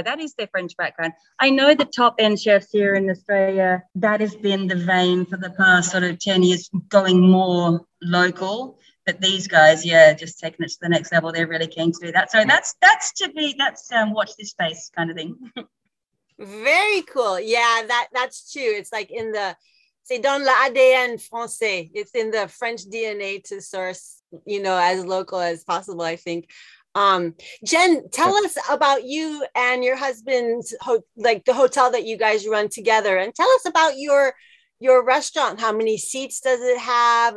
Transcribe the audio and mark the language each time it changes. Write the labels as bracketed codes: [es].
[en] That is their French background. I know the top end chefs here in Australia, that has been the vein for the past sort of 10 years, going more local. But these guys, yeah, just taking it to the next level. They're really keen to do that. So that's to be, that's watch this space kind of thing. Very cool. Yeah, that's true. It's like in the, [fr] c'est dans l'ADN français. [en] It's in the French DNA to source, you know, as local as possible, I think. Jen, tell us about you and your husband's, like the hotel that you guys run together. And tell us about your restaurant. How many seats does it have?